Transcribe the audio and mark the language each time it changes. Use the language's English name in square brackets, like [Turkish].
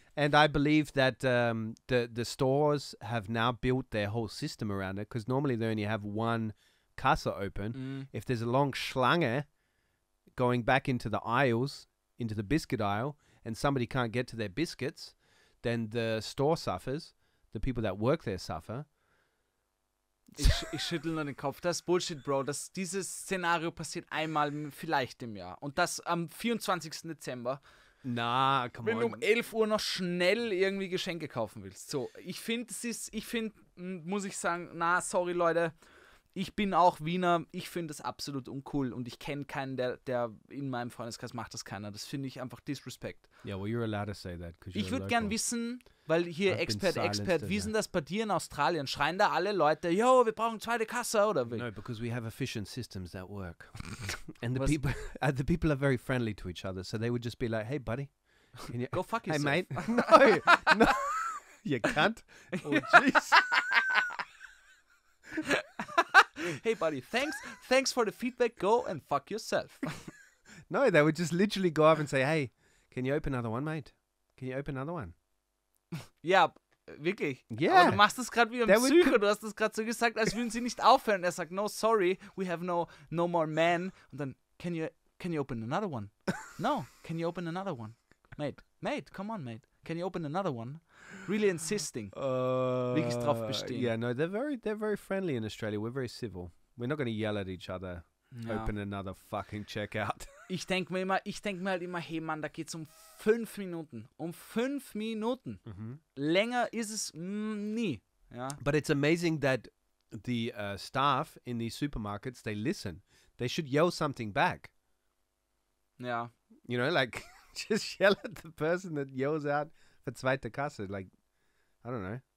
[English] And I believe that the stores have now built their whole system around it. Because normally they only have one Kasse open. Mm. If there's a long Schlange, going back into the aisles, into the biscuit aisle, and somebody can't get to their biscuits, then the store suffers, the people that work there suffer. [German] Ich schüttel nur den Kopf. Das ist Bullshit, Bro. Das, dieses Szenario passiert einmal vielleicht im Jahr. Und das am 24. Dezember. [English] Na, come on. [German] Wenn du um 11 Uhr noch schnell irgendwie Geschenke kaufen willst. So, ich finde, es ist, ich finde, muss ich sagen, na, sorry, Leute. Ich bin auch Wiener. Ich finde das absolut uncool. Und ich kenne keinen, der in meinem Freundeskreis macht das keiner. Das finde ich einfach Disrespect. [English] Yeah, well, you're allowed to say that. [German] Ich würde gern wissen, weil hier [English] I've Expert, [German] wie sind das bei dir in Australien? Schreien da alle Leute, yo, wir brauchen zweite Kasse, oder wie? [English] No, because we have efficient systems that work. And the people are very friendly to each other. So they would just be like, hey, buddy. Can you, go fuck yourself. Hey, mate. No. You can't. Oh, jeez. Hey buddy, thanks for the feedback. Go and fuck yourself. No, they would just literally go up and say, hey, can you open another one, mate? Can you open another one? [German] Ja, wirklich. [English] Yeah. [German] Aber du machst das gerade wie ein Psycho. Du hast das gerade so gesagt, als würden sie nicht aufhören. Er sagt, [English] no, sorry, we have no more men. [German] Und dann, [English] can you open another one? No, can you open another one? Mate, come on, mate. Can you open another one? Really insisting. [German] Wirklich drauf bestehen. [English] Yeah, no, they're very friendly in Australia. We're very civil. We're not going to yell at each other. No. Open another fucking checkout. [German] Ich denk mir halt immer, hey Mann, da geht's um 5 Minuten. Um 5 Minuten. Mm-hmm. Länger ist es nie. Ja? [English] But it's amazing that the staff in these supermarkets, they listen. They should yell something back. Yeah. You know, like, just yell at the person that yells out, [German] zweite Kasse, [English] like, I don't know.